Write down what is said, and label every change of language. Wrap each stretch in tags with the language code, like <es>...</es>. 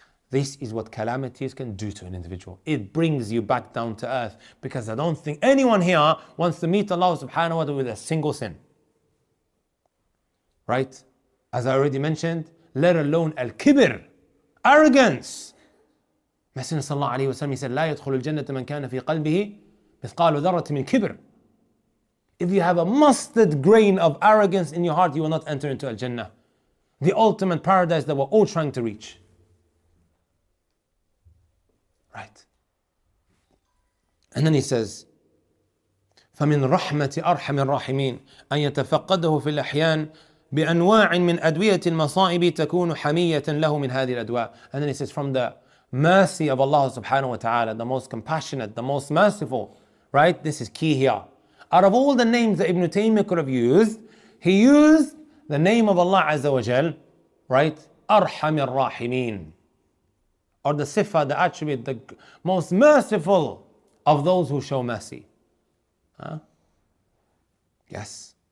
<en>This is what calamities can do to an individual. It brings you back down to earth. Because I don't think anyone here wants to meet Allah subhanahu wa ta'ala with a single sin. Right? As I already mentioned, let alone al-kibir, arrogance. Messenger sallallahu alayhi wa sallam, he said,</en> <ar>لا يدخل الجنة من كان في قلبه مثقال ذرة من كبر.</ar> <en>If you have a mustard grain of arrogance in your heart, you will not enter into al-jannah, the ultimate paradise that we're all trying to reach. Right. And then he says,</en> <ar>فمن رحمة أرحم الراحمين أن يتفقده في الأحيان بأنواع من أدوية المصائب تكون حمية له من هذه الأدواء.</ar> <en>And then he says, from the mercy of Allah subhanahu wa ta'ala, the most compassionate, the most merciful, right? This is key here. Out of all the names that Ibn Taymiyyah could have used, he used the name of Allah Azza wa Jal, right? Arhamir Rahimeen. Or the sifa, the attribute, the most merciful of those who show mercy. Huh? Yes.</en>